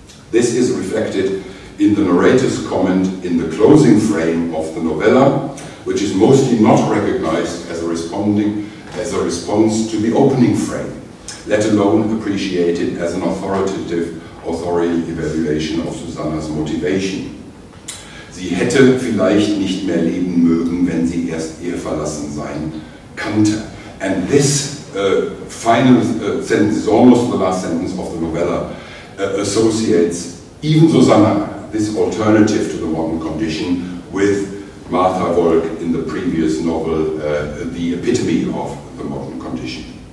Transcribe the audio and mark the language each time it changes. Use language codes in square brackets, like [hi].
[en] This is reflected in the narrator's comment in the closing frame of the novella, which is mostly not recognized as a response to the opening frame, let alone appreciated as an authoritative authority evaluation of Susannas motivation. [de] Sie hätte vielleicht nicht mehr leben mögen, wenn sie erst ihr verlassen sein kannte. [en] And this final sentence is almost the last sentence of the novella, associates even Susanna, this alternative to the modern condition, with Martha Wolk in the previous novel, the epitome of the modern condition.